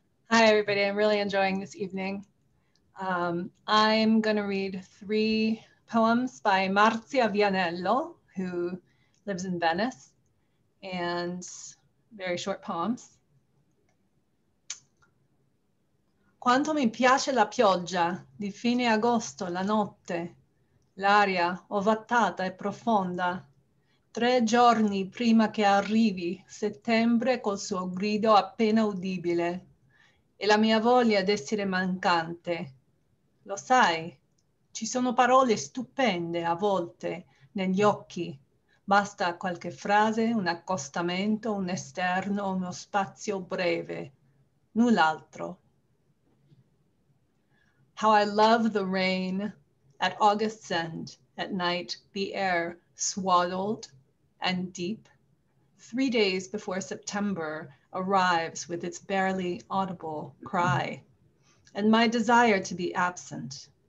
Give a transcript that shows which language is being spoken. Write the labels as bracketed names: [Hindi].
[English] Hi, everybody. I'm really enjoying this evening. I'm going to read three poems by Marzia Vianello, who lives in Venice, and very short poems. [Italian] Quanto mi piace la pioggia di fine agosto, la notte, l'aria ovattata e profonda, tre giorni prima che arrivi settembre col suo grido appena udibile, e la mia voglia d'essere mancante. Lo sai, ci sono parole stupende a volte negli occhi, basta qualche frase, un accostamento, un esterno, uno spazio breve, null'altro. [English] How I love the rain at August's end, at night, the air swaddled and deep, 3 days before September arrives with its barely audible cry, and my desire to be absent.